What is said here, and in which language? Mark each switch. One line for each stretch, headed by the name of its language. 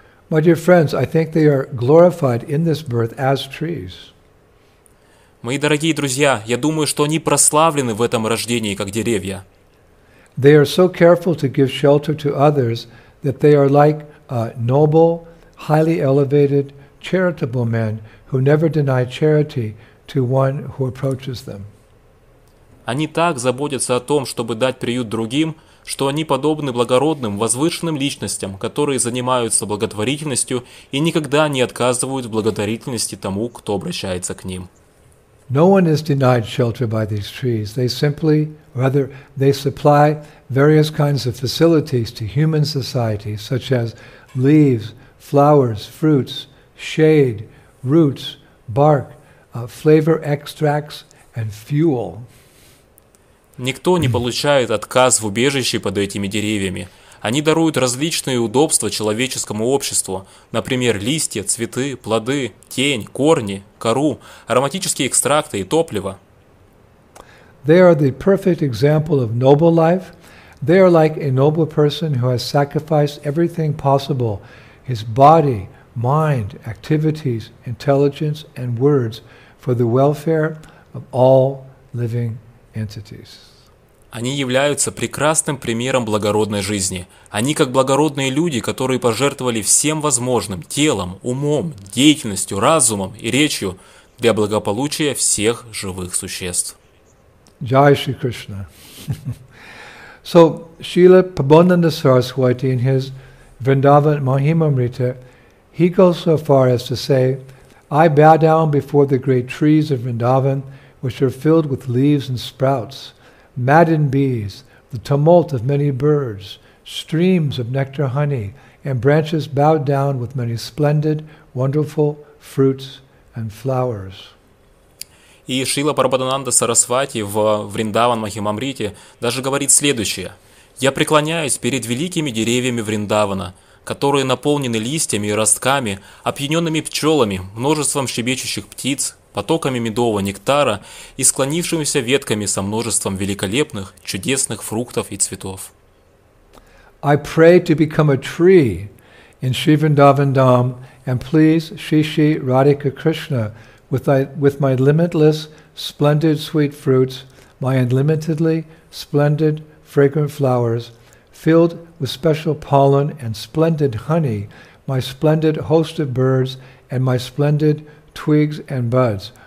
English: My dear friends, I think they are glorified in this birth as trees.
Russian: Мои дорогие друзья, я думаю, что они прославлены в этом рождении как деревья.
English: They are so careful to give shelter to others that they are like noble, highly elevated, charitable men who never deny charity to one who approaches them.
Russian: Они так заботятся о том, чтобы дать приют другим, что они подобны благородным, возвышенным личностям, которые занимаются благотворительностью и никогда не отказывают в благотворительности тому, кто обращается к ним.
English: No one is denied shelter by these trees. They simply, rather, they supply various kinds of facilities to human society, such as leaves, flowers, fruits, shade, roots, bark, flavor extracts, and fuel.
Russian: Никто не получает отказ в убежище под этими деревьями. Они даруют различные удобства человеческому обществу, например, листья, цветы, плоды, тень, корни, кору, ароматические экстракты и топливо.
English: They are the perfect example of noble life. They are like a noble person who has sacrificed everything possible, his body, mind, activities, intelligence, and words for the welfare of all living entities.
Russian: Они являются прекрасным примером благородной жизни. Они как благородные люди, которые пожертвовали всем возможным – телом, умом, деятельностью, разумом и речью – для благополучия всех живых существ.
Hindi: Jai Shri Krishna.
English: So, Srila Prabodhananda Saraswati in his Vrindavan Mahimamrita, he goes so far as to say, I bow down before the great trees of Vrindavan, which are filled with leaves and sprouts. Maddened bees, the tumult of many birds, streams of nectar honey, and branches bowed down with many splendid, wonderful fruits and flowers.
Russian: И Шрила Прабхадананда Сарасвати в Вриндаван Махимамрите даже говорит следующее. «Я преклоняюсь перед великими деревьями Вриндавана, которые наполнены листьями и ростками, опьяненными пчелами, множеством щебечущих птиц, потоками медового нектара и склонившимися ветками со множеством великолепных, чудесных фруктов и цветов.
English: I pray to become a tree in Sri Vrindavan Dham and please Sri Sri Radhika Krishna with my limitless splendid sweet fruits, my unlimitedly splendid fragrant flowers, filled with special pollen and splendid honey, my splendid host of birds and my splendid twigs and buds.